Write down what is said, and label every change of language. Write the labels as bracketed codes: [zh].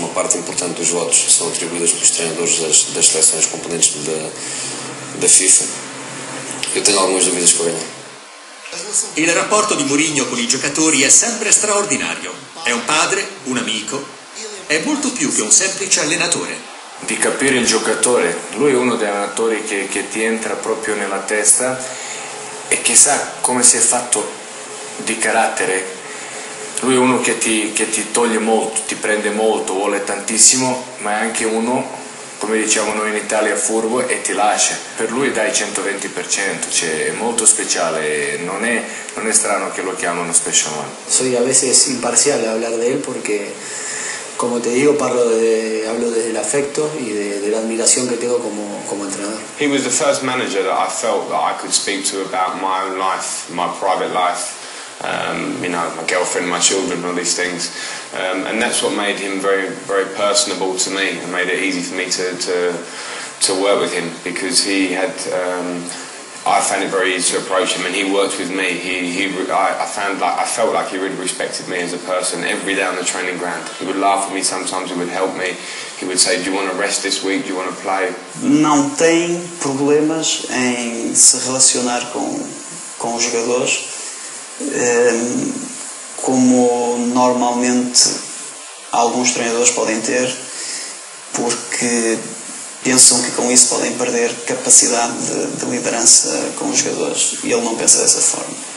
[pt] Uma parte importante dos votos são atribuídos pelos treinadores das seleções componentes da FIFA. Eu tenho algumas dúvidas que eu ganhei. [it] Il rapporto di Mourinho con i giocatori è sempre straordinario. È un padre, un amico, è molto più che un semplice allenatore. Di capire il giocatore, lui è uno degli allenatori che ti entra proprio nella testa e che sa come si è fatto di carattere. Lui è uno che ti toglie molto, ti prende molto, vuole tantissimo, ma è anche uno, come diciamo noi in Italia, furbo, e ti lascia. Per lui dai 120%, cioè è molto speciale, non è strano che lo chiamano special one. [es] Soy a veces imparcial a hablar de él porque, como te digo, hablo desde el afecto y de la admiración que tengo como entrenador. [en] He was the first manager that I felt that I could speak to about my own life, my private life, my girlfriend, my children, all these things. And that's what made him very, very personable to me and made it easy for me to work with him, because he had, I found it very easy to approach him, and he worked with me. I felt like he really respected me as a person every day on the training ground. He would laugh at me sometimes, he would help me. He would say, do you want to rest this week? Do you want to play? [pt] Não tem problemas em se relacionar com os jogadores. Como normalmente alguns treinadores podem ter, porque pensam que com isso podem perder capacidade de liderança com os jogadores, e ele não pensa dessa forma.